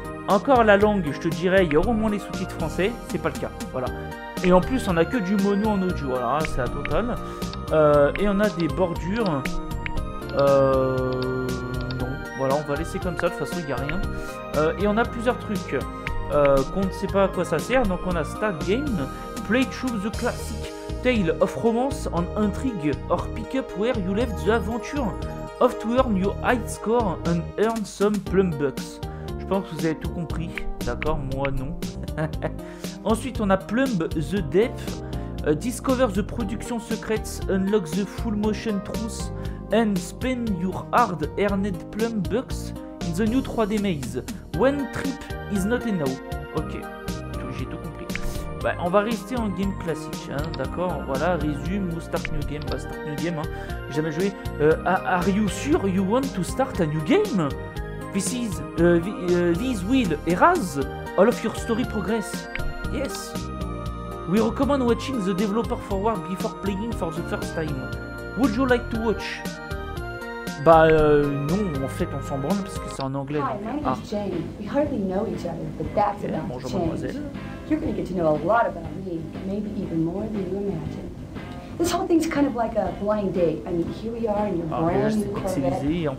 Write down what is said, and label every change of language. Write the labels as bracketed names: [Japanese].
[French] Encore la langue, je te dirais, il y aura au moins les sous-titres français, c'est pas le cas, voilà. Et en plus, on a que du mono en audio, voilà, c'est à total. Et on a des bordures. Non, voilà, on va laisser comme ça, de toute façon, il n'y a rien. Et on a plusieurs trucs qu'on ne sait pas à quoi ça sert. Donc on a [English] Start Game, Play Through the Classic, Tale of Romance and Intrigue, or Pick Up Where You Left the Adventure, off to earn your high score and earn some plum bucks. [French] Je pense que vous avez tout compris, d'accord, moi non. Ensuite on a [English] Plumb the Depth, Discover the Production Secrets, Unlock the Full Motion Truth, and Spend your hard earned plum bucks in the new 3D maze. When trip is not enough. [French] Ok, j'ai tout compris. Bah, on va rester en game classique, hein, d'accord, voilà, résume ou [English] start new game, [French] bah start new game, hein, jamais joué. [English] Are you sure you want to start a new game? This will erase all of your story progress. Yes. We recommend watching the developer forward before playing for the first time. Would you like to watch? [French] Bah non, en fait on s'en branle parce que c'est en anglais. [English] Hi, my name is Jane. We hardly know each other, but that's enough. [French] Bonjour mademoiselle. [English] You're gonna get to know a lot about me, maybe even more than you imagine. This whole thing's kind of like a blind date. I mean, here we are in your brand new Corvette,